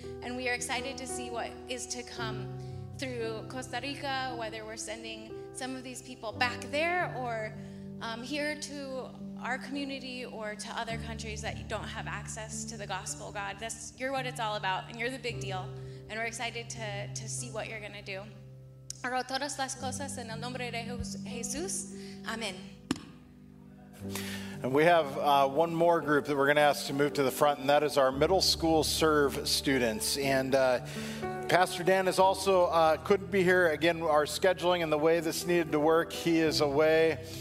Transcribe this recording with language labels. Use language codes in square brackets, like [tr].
[en] And we are excited to see what is to come through Costa Rica, whether we're sending some of these people back there or here to our community or to other countries that don't have access to the gospel, God. That's, you're what it's all about, and you're the big deal. And we're excited to see what you're going to do. [es] Hago todas las cosas en el nombre de Jesús. [en] Amen. And we have one more group that we're going to ask to move to the front, and that is our middle school serve students. And Pastor Dan is also couldn't be here. Again, our scheduling and the way this needed to work, he is away.